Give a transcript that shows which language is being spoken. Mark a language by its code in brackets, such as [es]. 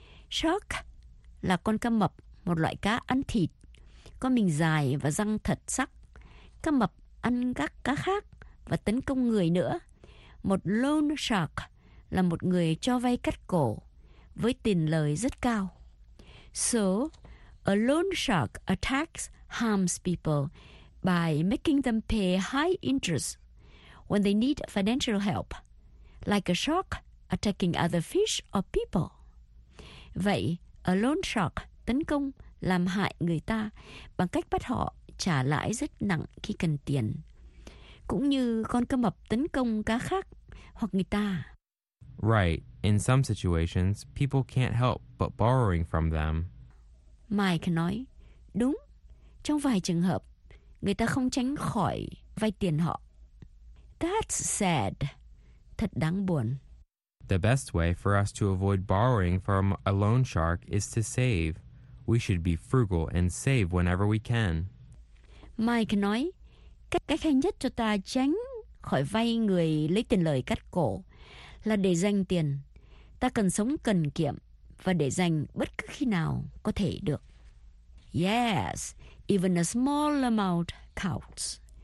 [vi] Shark là con cá mập, một loại cá ăn thịt, có mình dài và răng thật sắc. Cá mập ăn các cá khác và tấn công người nữa. Một loan shark là một người cho vay cắt cổ với tiền lời rất cao. [en] So, a loan shark attacks, harms people by making them pay high interest when they need financial help. Like a shark attacking other fish or people. [vi] Vậy, a loan shark tấn công, làm hại người ta bằng cách bắt họ trả lãi rất nặng khi cần tiền. Cũng như con cá mập tấn công cá khác hoặc người ta. [en] Right. In some situations, people can't help but borrowing from them. [vi] Mike nói, đúng. Trong vài trường hợp, người ta không tránh khỏi vay tiền họ. [en] That's sad. [vi] Thật đáng buồn. [en] The best way for us to avoid borrowing from a loan shark is to save. We should be frugal and save whenever we can. [vi] Mike nói, cách hay nhất cho ta tránh khỏi vay người lấy tiền lời cắt cổ là để dành tiền. Ta cần sống cần kiệm và để dành bất cứ khi nào có thể được. [en] Yes, even a small amount counts.